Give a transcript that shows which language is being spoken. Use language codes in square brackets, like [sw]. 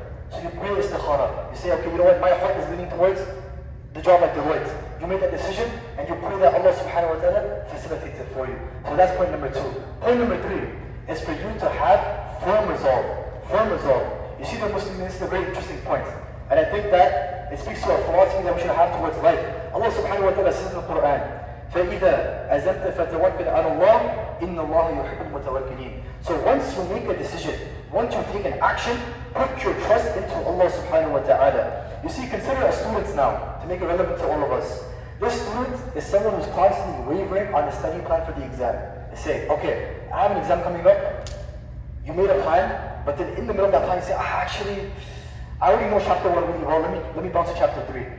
[en] So you pray istikhara. You say, okay, you know what, my heart is leaning towards the job at Deloitte. You make that decision and you pray that Allah subhanahu wa ta'ala facilitates it for you. So that's point number two. Point number three is for you to have firm resolve. Firm resolve. You see, the Muslim, this is a very interesting point. And I think that it speaks to a philosophy that we should have towards life. Allah subhanahu wa ta'ala says in the Quran, [ar] فَإِذَا أَزَمْتَ فَتَوَكَّلْ عَلَى اللَّهِ إِنَّ اللَّهَ يُحِبُّ الْمُتَوَكِّلِينَ. [en] So once you make a decision, once you take an action, put your trust into Allah subhanahu wa ta'ala. You see, consider a student now, to make it relevant to all of us. This student is someone who's constantly wavering on the study plan for the exam. They say, okay, I have an exam coming up. You made a plan, but then in the middle of that plan, you say, actually, I already know chapter 1 really well, let me bounce to chapter 3.